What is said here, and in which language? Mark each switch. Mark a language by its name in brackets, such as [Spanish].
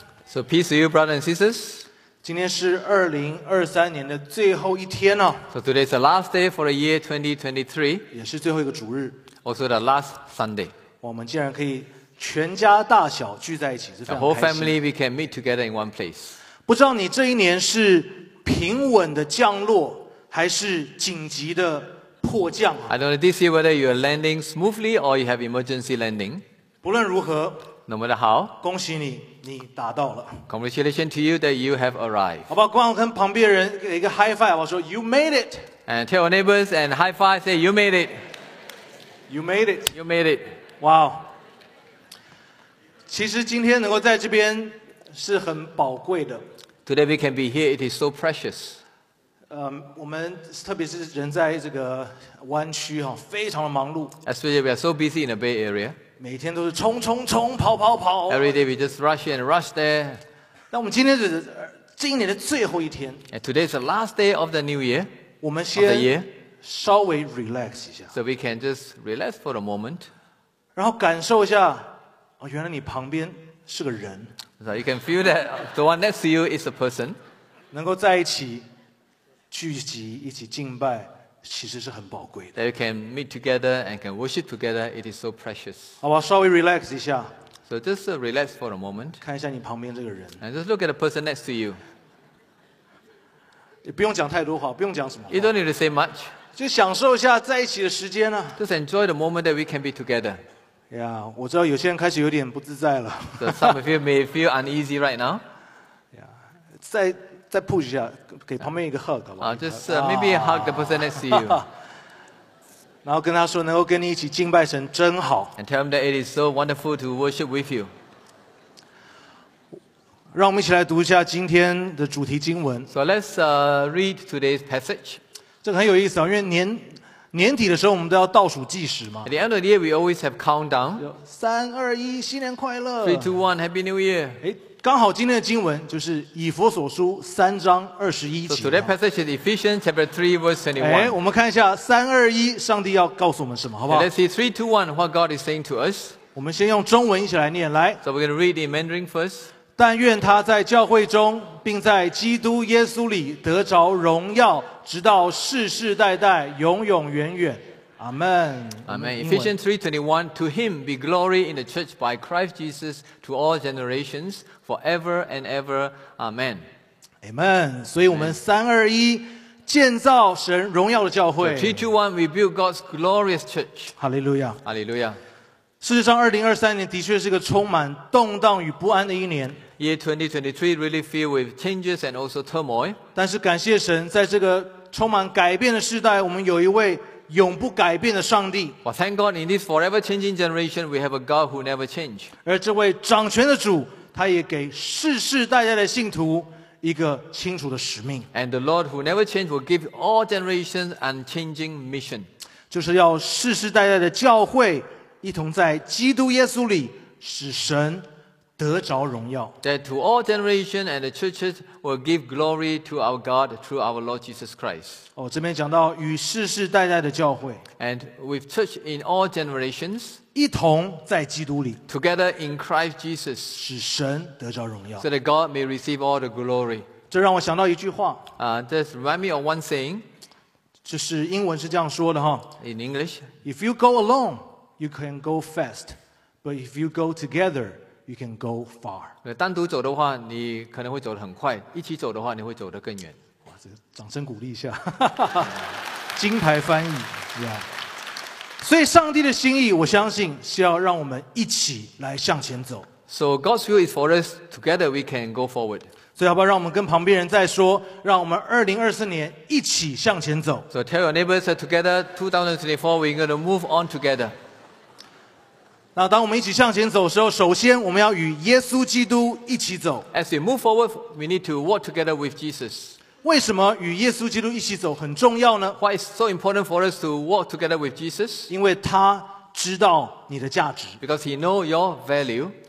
[English] So peace to you, brothers and sisters. [Chinese] 今天是2023年的最后一天哦。 [English] So today's the last day for the year 2023. [Chinese] 也是最后一个主日。 [English] Also the last Sunday. [Chinese] 我们竟然可以全家大小聚在一起，是非常开心。 [English] The whole family we can meet together in one place. [Chinese] 不知道你这一年是平稳的降落，还是紧急的迫降 [English] 啊？ I don't know this year whether you're landing smoothly or you have emergency landing. [Chinese] 不论如何。那么的好，恭喜你，你达到了。 [English] Congratulations to you that you have arrived. [Chinese] 好吧，光跟旁边人给一个 high five， 我说 [English] you made it. And tell your neighbors and high five, say you made it. You made it. You made it. Wow. [Chinese] 其实今天能够在这边是很宝贵的。 [English] Today we can be here, it is so precious. [Chinese] 我们特别是人在这个湾区哈，非常的忙碌。 [English] Especially we are so busy in the Bay Area. [Chinese] 每天都是冲冲冲跑跑跑。 [English] Every day we just rush and rush there. [Chinese] 那我们今天是今年的最后一天。 [English] And today is the last day of the new year. [Chinese] 我们先稍微 relax 一下。 [English] So we can just relax for a moment. [Chinese] 然后感受一下，哦，原来你旁边是个人。 [English] So you can feel that the one next to you is a person. [Chinese] 能够在一起聚集，一起敬拜。其实是很宝贵的。 [English] That you can meet together and can worship together, it is so precious. [Chinese] 好吧，稍微 relax 一下。 [English] So just relax for a moment. [Chinese] 看一下你旁边这个人。 [English] And just look at the person next to you. [Chinese] 你不用讲太多话，不用讲什么话。 [English] You don't need to say much. [Chinese] 就享受一下在一起的时间啊。 [English] Just enjoy the moment that we can be together. [Chinese] Yeah, 我知道有些人开始有点不自在了。 [English] So some of you may feel uneasy right now. [Chinese] Yeah, 在。再 push 一下，给旁边一个 hug 好不好？ [English] Just maybe hug the person next to you. [Chinese] 然后跟他说，能够跟你一起敬拜神真好。 [English] And tell him that it is so wonderful to worship with you. [Chinese] 让我们一起来读一下今天的主题经文。 [English] So let's read today's passage. [Chinese] 这个很有意思啊，因为年底的时候，我们都要倒数计时嘛。 [English] At the end of the year, we always have countdown. [Chinese] 三二一，新年快乐。 [English] Three, two, one, Happy New Year. [Chinese] 刚好今天的经文就是以弗所书三章二十一节。 [English] So today's passage is Ephesians chapter 3 verse 21. [Chinese] 我们看一下三二一，上帝要告诉我们什么，好不好 [English] ？Let's see three, two, one, what God is saying to us. [Chinese] 我们先用中文一起来念，来。 [English] So we're going to read in Mandarin first. [Chinese] 但愿他在教会中，并在基督耶稣里得着荣耀，直到世世代代，永永远远。 [English] Amen. Amen. Ephesians 3:21. To him be glory in the church by Christ Jesus to all generations, forever and ever. Amen. Amen. [Chinese] 所以我们三二一建造神荣耀的教会。 [English] 3:21. We build God's glorious church. Hallelujah. Hallelujah. [Chinese] 事实上2023年的确是个充满动荡与不安的一年。 [English] Year 2023 really filled with changes and also turmoil. [Chinese] 但是感谢神，在这个充满改变的时代，我们有一位永不改变的上帝。 [English] Well, thank God, in this forever changing generation, we have a God who never changes. [Chinese] 而这位掌权的主，他也给世世代代的信徒一个清楚的使命。 [English] And the Lord who never changes will give all generations an unchanging mission. [Chinese] 就是要世世代代的教会一同在基督耶稣里使神得着荣耀。 [English] That to all generations and the churches will give glory to our God through our Lord Jesus Christ. [Chinese] 哦，这边讲到与世世代代的教会。 [English] And with church in all generations. [Chinese] 一同在基督里。 [English] Together in Christ Jesus. [Chinese] 使神得着荣耀。 [English] So that God may receive all the glory. [Chinese] 这让我想到一句话。 [English] This reminds me of one saying. [Chinese] 这是英文是这样说的哈。 [English] In English. If you go alone, you can go fast. But if you go together,You can go far. [Chinese] 单独走的话，你可能会走得很快；一起走的话，你会走得更远。哇，这个掌声鼓励一下，金牌翻译，是吧？所以，上帝的心意，我相信是要让我们一起来向前走。 [English] So God's will is for us together. We can go forward. [Chinese] 所以，好不好让我们跟旁边人再说，让我们2024年一起向前走。 [English] So tell your neighbors that together, 2024, we're going to move on together. [Chinese] 那当我们一起向前走的时候，首先我们要与耶稣基督一起走。 [English] As we move forward, we need to walk together with Jesus. [Chinese] 为什么与耶稣基督一起走很重要呢？ [English] Why is so important for us to walk together with Jesus? [Chinese] 因为他知道你的价值。 [English] Because he knows your value.